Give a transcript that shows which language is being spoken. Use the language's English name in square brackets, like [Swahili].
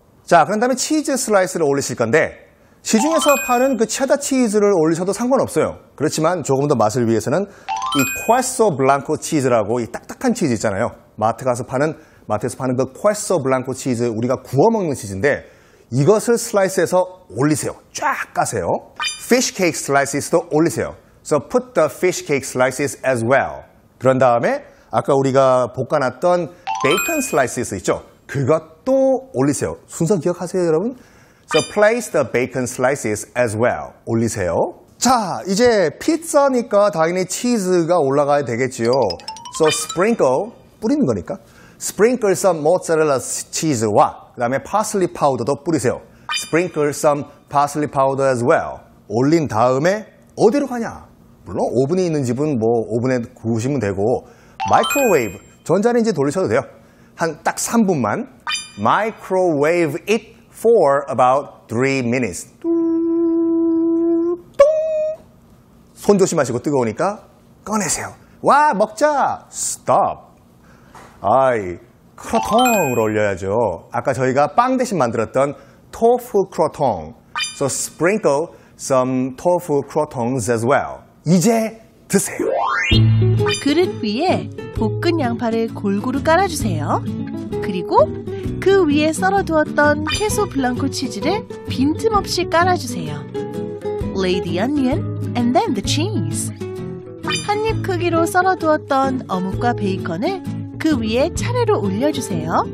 [Korean] 자, 그런 다음에 치즈 슬라이스를 올리실 건데 시중에서 파는 그 체다 치즈를 올리셔도 상관없어요. 그렇지만 조금 더 맛을 위해서는 이 퀘소 블랑코 치즈라고 이 딱딱한 치즈 있잖아요. 마트 가서 파는 마트에서 파는 그 퀘소 블랑코 치즈 우리가 구워 먹는 치즈인데 이것을 슬라이스해서 올리세요. 쫙 까세요. [English] Fish cake slices [Korean] 도 올리세요. [English] So put the fish cake slices as well. [Korean] 그런 다음에 아까 우리가 볶아놨던 베이컨 슬라이스 있죠? 그것도 올리세요. 순서 기억하세요, 여러분? [English] So place the bacon slices as well. [Korean] 올리세요. 자, 이제 피자니까 당연히 치즈가 올라가야 되겠지요. [English] So sprinkle, [Korean] 뿌리는 거니까. [English] Sprinkle some mozzarella cheese와 [Korean] 그 다음에 [English] parsley powder도 뿌리세요. Sprinkle some parsley powder as well. [Korean] 올린 다음에 어디로 가냐? 물론 오븐이 있는 집은 뭐 오븐에 구우시면 되고 microwave, 전자레인지 돌리셔도 돼요. 한 딱 3분만 [English] microwave it for about 3 minutes. [Korean] 손 조심하시고 뜨거우니까 꺼내세요. 와 먹자. [English] Stop. [Korean] 아이 크로통을 올려야죠. 아까 저희가 빵 대신 만들었던 토프 크로통. [English] So sprinkle some tofu croutons as well. [Korean] 이제 드세요. 그릇 위에 볶은 양파를 골고루 깔아주세요. 그리고 그 위에 썰어두었던 케소 블랑코 치즈를 빈틈없이 깔아주세요. [English] Lay the onion and then the cheese. [Korean] 한입 크기로 썰어두었던 어묵과 베이컨을 그 위에 차례로 올려주세요.